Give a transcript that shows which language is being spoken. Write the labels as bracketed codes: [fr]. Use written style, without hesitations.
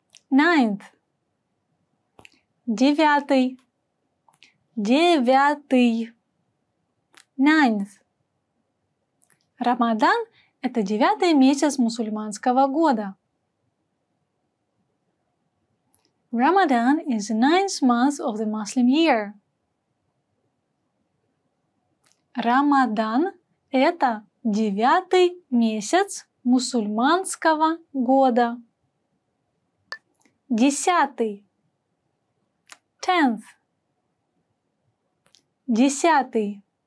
[en] Ninth. [ru] Девятый. Девятый. [en] Ninth. [ru] Рамадан – это девятый месяц мусульманского года. [en] Ramadan is the ninth month of the Muslim year. [ru] Рамадан – это девятый месяц мусульманского года. Десятый. [en] Tenth. [ru] Десятый.